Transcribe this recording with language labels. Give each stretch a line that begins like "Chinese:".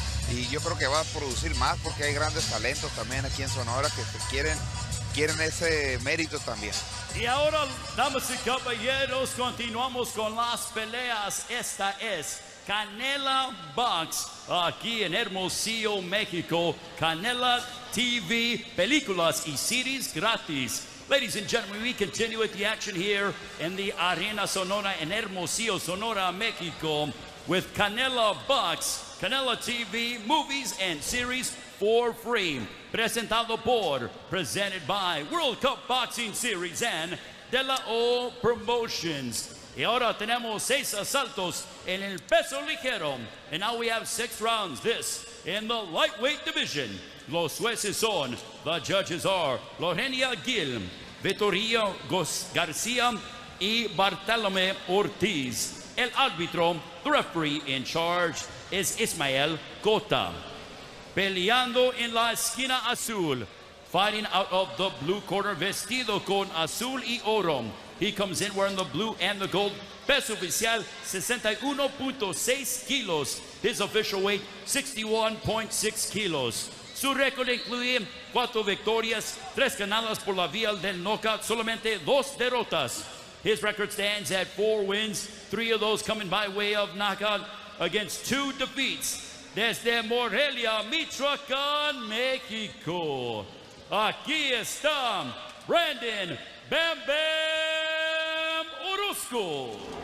Spanish: Y yo creo que va a producir más, porque hay grandes talentos también aquí en Sonora que quieren ese mérito también. Y ahora, damas y caballeros, continuamos con las peleas. Esta es Canela Box, aquí en Hermosillo, México. Canela TV, películas y series gratis.
English: Ladies and gentlemen, we continue with the action here in the Arena Sonora in Hermosillo, Sonora, México, with Canela Box, Canela TV, movies and series for free.
Spanish: Presentado por,
English: presented by World Cup Boxing Series and De La O Promotions.
Spanish: Y ahora tenemos 6 asaltos en el peso ligero.
English: And now we have 6 rounds. This in the lightweight division.
Spanish: Los jueces son,
English: the judges are,
Spanish: Lorenia Gil, Vitorio García y Bartolomé Ortiz. El árbitro,
English: the referee in charge, is Ismael Cota.
Spanish: Peleando en la esquina azul,
English: fighting out of the blue corner,
Spanish: vestido con azul y oro.
English: He comes in wearing the blue and the gold.
Spanish: Peso oficial,
English: 61.6 kilos. His official weight, 61.6 kilos.
Spanish: Su récord incluye 4 victorias, 3 ganadas por la vía del knockout, solamente 2 derrotas.
English: His record stands at 4 wins, 3 of those coming by way of knockout against 2 defeats.
Spanish: Desde Morelia, Michoacán, México, aquí está Brandon Bam Bam Orozco.